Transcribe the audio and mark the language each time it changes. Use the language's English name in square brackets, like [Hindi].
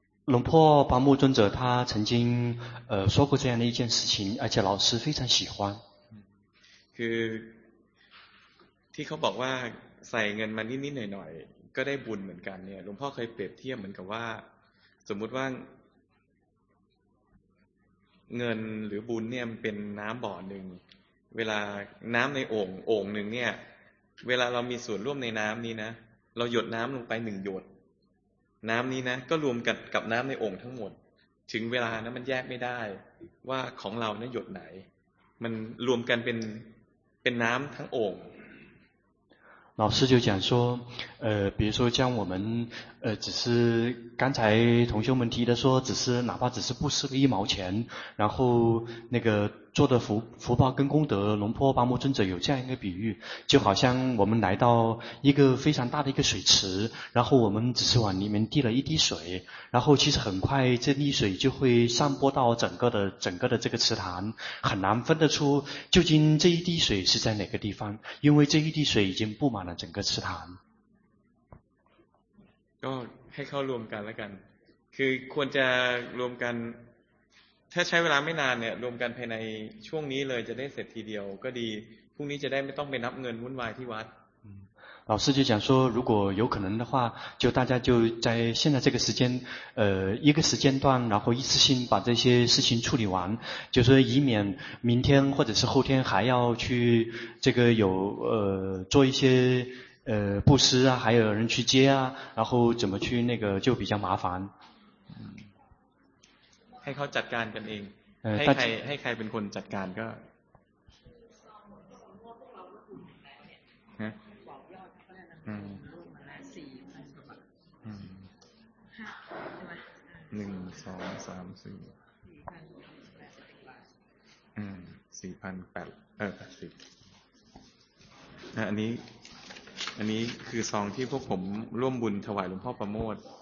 [Chinese] หลวงพ่อปาโมทย์尊者他曾经说过这样的一件事情而且老师非常喜欢 [Thai] คือที่เขาบอกว่าใส่เงินมานิดๆหน่อยๆก็ได้บุญเหมือนกันเนี่ยหลวงพ่อเคยเปรียบเทียบเหมือนกับว่าสมมติว่า เงินหรือบุญเนี่ยเป็นน้ำบ่อหนึ่งเวลาน้ำในโอ่งหนึ่งเนี่ยเวลาเรามีส่วนร่วมในน้ำนี้นะเราหยดน้ำลงไปหนึ่งหยดน้ำนี้นะก็รวมกับน้ำในโอ่งทั้งหมดถึงเวลานะมันแยกไม่ได้ว่าของเราเนี่ยหยดไหนมันรวมกันเป็นน้ำทั้งโอ่ง [Chinese] 老师就讲说比如说像我们只是刚才同学们提的说只是哪怕只是布施个一毛钱然后那个做的福报跟功德龙坡巴木尊者有这样一个比喻就好像我们来到一个非常大的一个水池然后我们只是往里面滴了一滴水然后其实很快这滴水就会散播到整个的这个池塘很难分得出究竟这一滴水是在哪个地方因为这一滴水已经布满了整个池塘 [Thai] ก็ให้เข้ารวมกันแล้วกันคือควรจะรวมกันถ้าใช้เวลาไม่นานเนี่ยรวมกันภายในช่วงนี้เลยจะได้เสร็จทีเดียวก็ดีพรุ่งนี้จะได้ไม่ต้องไปนับเงินวุ่นวายที่วัด [Chinese] 老师就讲说如果有可能的话就大家就在现在这个时间一个时间段然后一次性把这些事情处理完就说以免明天或者是后天还要去这个有做一些布施啊还有人去接啊然后怎么去那个就比较麻烦 [Thai] ให้เขาจัดการกันเองให้ใครเป็นคนจัดการก็ฮะหนึ่งสองสามสี่4,800อันนี้คือซองที่พวกผมร่วมบุญถวายหลวงพ่อประโมท